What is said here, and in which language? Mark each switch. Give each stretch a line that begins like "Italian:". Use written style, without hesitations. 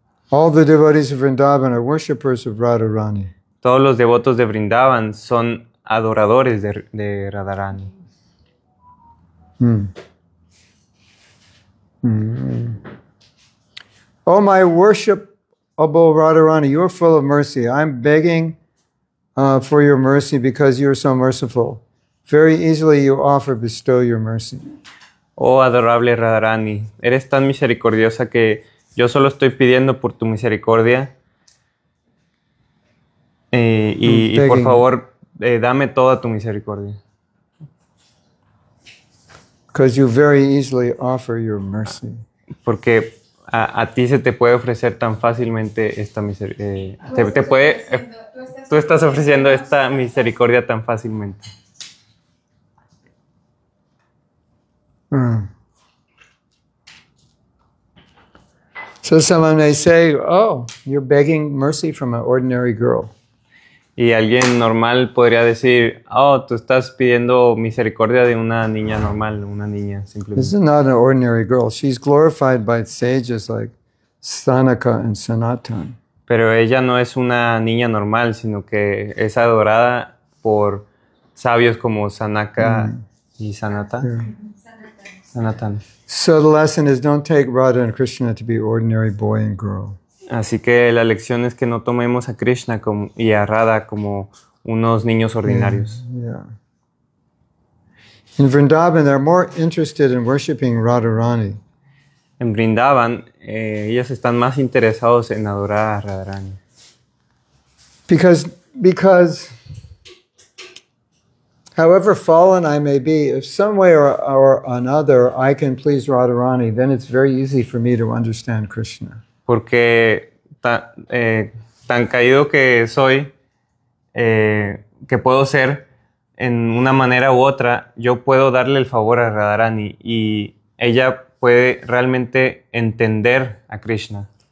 English: All the devotees of Vrindavan are worshippers of Radharani.
Spanish: Todos los devotos de Vrindavan son adoradores de Radharani.
English: Oh, my worshipable Radharani, you are full of mercy. I'm begging for your mercy because you are so merciful. Very easily you offer, bestow your mercy.
Spanish: Oh, adorable Radharani, eres tan misericordiosa que yo solo estoy pidiendo por tu misericordia. Y por favor, dame toda tu misericordia.
English: Because you very easily offer your mercy.
Spanish: Porque a ti se te puede ofrecer tan fácilmente esta misericordia. Tú estás ofreciendo esta misericordia tan fácilmente.
English: So someone may say, "Oh, you're begging mercy from an ordinary girl."
Spanish: Y alguien normal podría decir, "Oh, tú estás pidiendo misericordia de una niña normal, una niña simplemente."
English: This is not an ordinary girl. She's glorified by sages like Stanaka and Sanatan.
Spanish: Pero ella no es una niña normal, sino que es adorada por sabios como Sanaka y Sanatan.
English: Yeah. Sanatana. So the lesson is don't take Radha and Krishna to be ordinary boy and girl.
Spanish: Así que la lección es que no tomemos a Krishna como, y a Radha como unos niños ordinarios.
English: Yeah. In Vrindavan, they're more interested in worshiping Radharani.
Spanish: En Vrindavan, ellos están más interesados en adorar a Radharani.
English: Because however fallen I may be, if some way or another I can please Radharani, then it's very easy for me to understand Krishna.
Spanish: Porque tan caído que soy, que puedo ser en una manera u otra, yo puedo darle el favor a Radharani y ella puede realmente entender a Krishna.